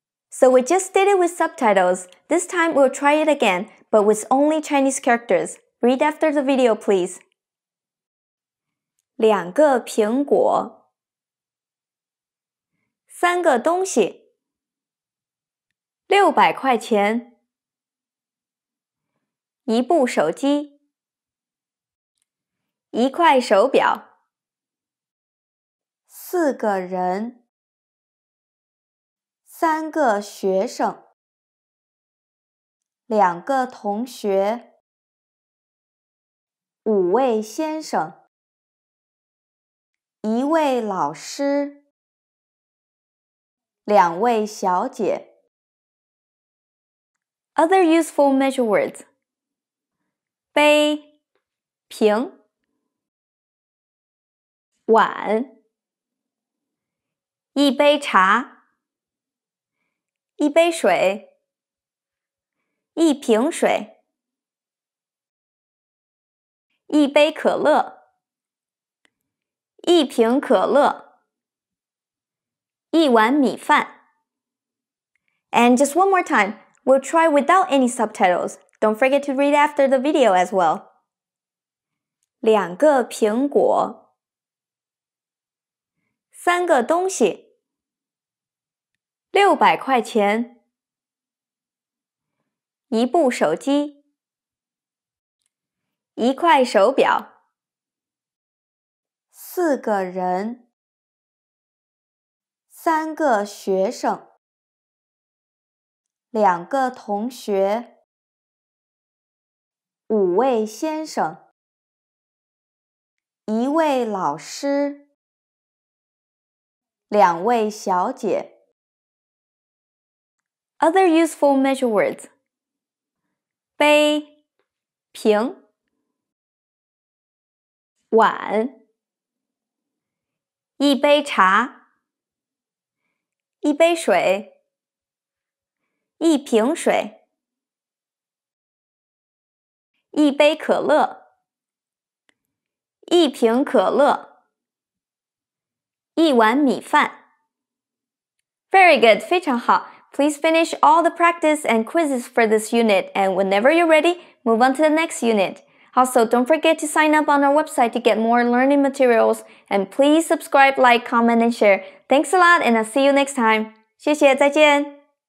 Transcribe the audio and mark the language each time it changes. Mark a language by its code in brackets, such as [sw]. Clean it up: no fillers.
[en] So we just did it with subtitles. This time we'll try it again, but with only Chinese characters. Read after the video, please. [zh] 两个苹果，三个东西，600块钱，一部手机，一块手表。四个人，三个学生，两个同学，五位先生，一位老师，两位小姐。 [en] Other useful measure words. [zh] 杯，瓶，碗。一杯茶，一杯水，一瓶水，一杯可乐，一瓶可乐，一碗米饭。 [en] And just one more time, we'll try without any subtitles. Don't forget to read after the video as well. [zh] 两个苹果，三个东西。 600块钱，一部手机，一块手表，四个人，三个学生，两个同学，五位先生，一位老师，两位小姐。 [en] Other useful measure words. [zh] 杯，瓶，碗，一杯茶，一杯水，一瓶水，一杯可乐，一瓶可乐，一碗米饭。 [en] Very good, [zh] 非常好。 [en] Please finish all the practice and quizzes for this unit, and whenever you're ready, move on to the next unit. Also, don't forget to sign up on our website to get more learning materials, and please subscribe, like, comment, and share. Thanks a lot, and I'll see you next time. [zh] 谢谢，再见。